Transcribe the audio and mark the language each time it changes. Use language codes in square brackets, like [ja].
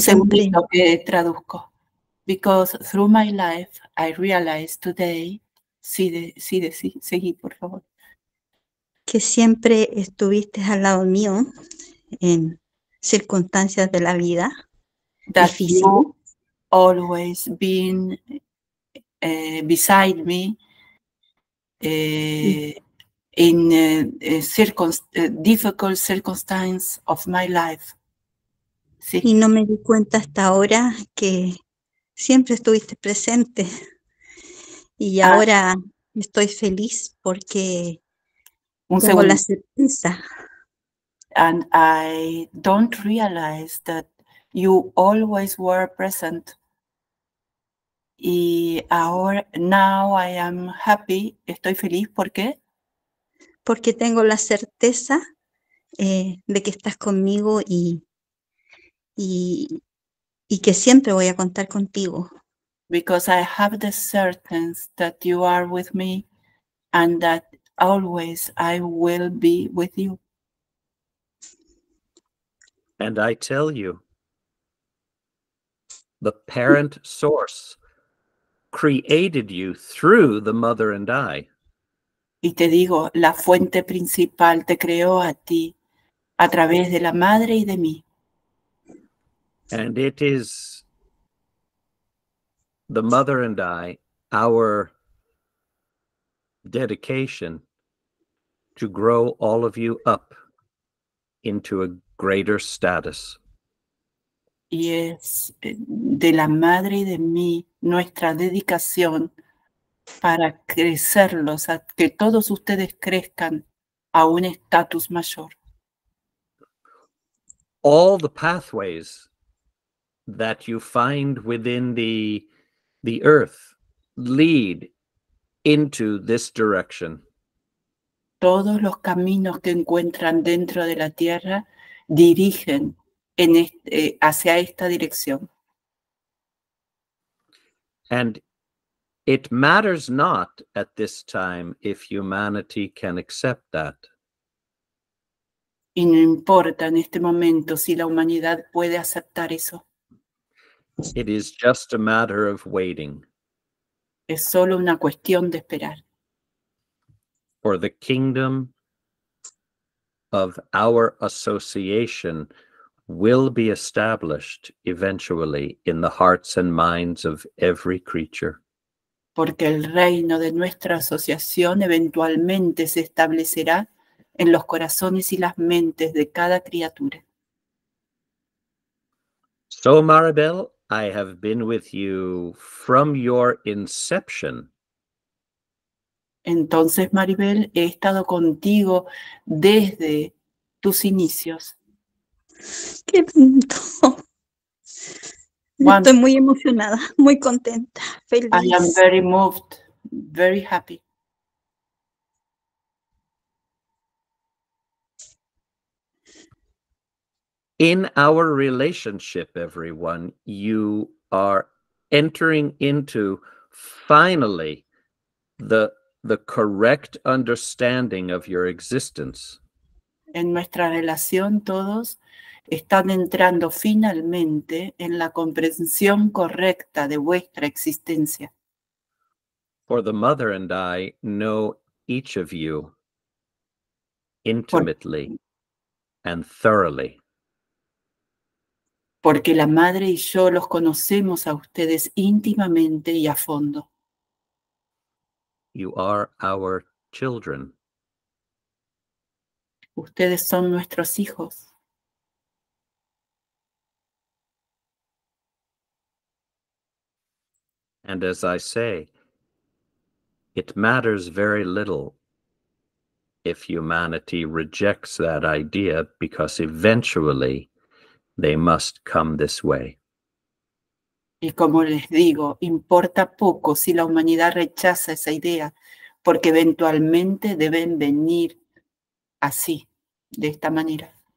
[es] segundito que traduzco. [en] Because through my life I realize today. [es] Sí, por favor. Que siempre estuviste al lado mío en circunstancias de la vida difícil. [en] Always been beside me in difficult circumstances of my life. [es] Sí. Y no me di cuenta hasta ahora que siempre estuviste presente. Y ahora estoy feliz porque tengo la certeza. [en] And I don't realize that you always were present. [es] Y ahora, [en] now I am happy. [es] Estoy feliz, ¿por qué? Porque tengo la certeza de que estás conmigo y que siempre voy a contar contigo. [en] Because I have the certainty that you are with me and that always I will be with you. And I tell you, the parent source created you through the mother and I. [es] Y te digo, la fuente principal te creó a ti a través de la madre y de mí. [en] And it is the mother and I, our dedication to grow all of you up into a greater status. [es] Y es de la madre y de mí nuestra dedicación para crecerlos, a que todos ustedes crezcan a un estatus mayor. [en] All the pathways that you find within the earth lead into this direction. [es] Todos los caminos que encuentran dentro de la tierra dirigen en este, hacia esta dirección. [en] And it matters not at this time if humanity can accept that. [es] Y no importa en este momento si la humanidad puede aceptar eso. [en] It is just a matter of waiting. [es] Es solo una cuestión de esperar. [en] For the kingdom of our association will be established eventually in the hearts and minds of every creature. [es] Porque el reino de nuestra asociación eventualmente se establecerá en los corazones y las mentes de cada criatura. [en] So, Maribel, I have been with you from your inception. [es] Entonces, Maribel, he estado contigo desde tus inicios. Qué lindo. Estoy muy emocionada, muy contenta, feliz. [en] I am very moved, very happy. In our relationship, everyone, you are entering into finally the correct understanding of your existence. [es] en nuestra relación todos están entrando finalmente en la comprensión correcta de vuestra existencia. [en] For the mother and I know each of you intimately and thoroughly. [es] Porque la madre y yo los conocemos a ustedes íntimamente y a fondo. [en] You are our children. [es] Ustedes son nuestros hijos. [en] And as I say, it matters very little if humanity rejects that idea, because eventually they must come this way. [es] Y como les digo, importa poco si la humanidad rechaza esa idea, porque eventualmente deben venir así, de esta manera.